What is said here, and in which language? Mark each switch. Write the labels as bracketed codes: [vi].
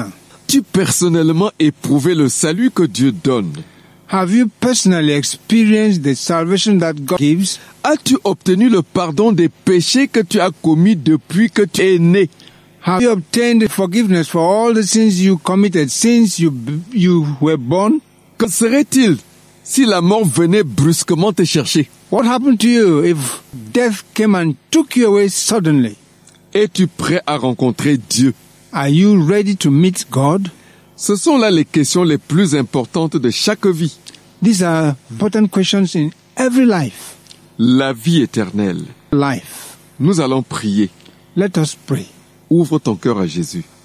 [fr] As-tu personnellement éprouvé le salut que Dieu donne? [en] Have you personally experienced the salvation that God gives? [fr] As-tu obtenu le pardon des péchés que tu as commis depuis que tu es né? [en] Have you obtained forgiveness for all the sins you committed since you were born? [fr] Que serait-il si la mort venait brusquement te chercher? [en] What happened to you if death came and took you away suddenly? [fr] Es-tu prêt à rencontrer Dieu? [en] Are you ready to meet God? [fr] Ce sont là les questions les plus importantes de chaque vie. [en] These are important questions in every life. [fr] La vie éternelle. [en] Life. [fr] Nous allons prier. [en] Let us pray. [fr] Ouvre ton cœur à Jésus.